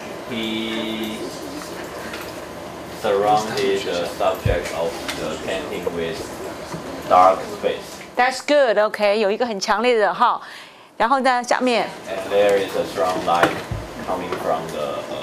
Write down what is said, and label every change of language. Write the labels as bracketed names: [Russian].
[English] He surrounded the subject of the painting with dark space. That's good, okay? [Chinese] 有一个很强烈的哈然后呢下面 [English] And there is a strong light coming from the